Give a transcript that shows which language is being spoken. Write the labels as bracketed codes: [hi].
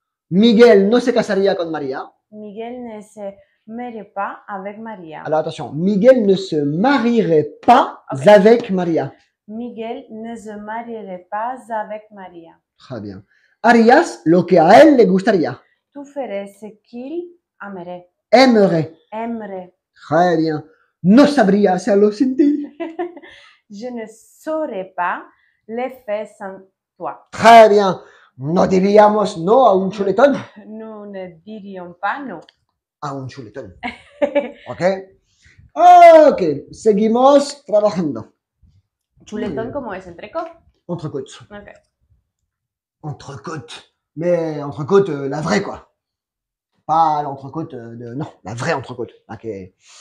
[es] Miguel no se casaría con María. [fr] Miguel ne se marierait pas avec Maria. Alors attention, Miguel ne se marierait pas okay. Avec Maria. Miguel ne se marierait pas avec Maria. Très bien. [es] Harías lo que a él le gustaría. [fr] Tu ferais ce qu'il Très bien. [es] No sabría hacerlo sin ti. [fr] Je ne saurais pas le faire sans toi. Très bien. [es] No diríamos no a un chuletón. [fr] No, ne dirions pas no. [es] A un chuletón. Ok. Ok. Seguimos trabajando. ¿Chuletón cómo es? ¿Entrecot? Entrecot. Ok. [fr] Entrecot. Mais entrecot, la vraie, quoi. Pas l'entrecôte de... Non, la vraie entrecôte. La que...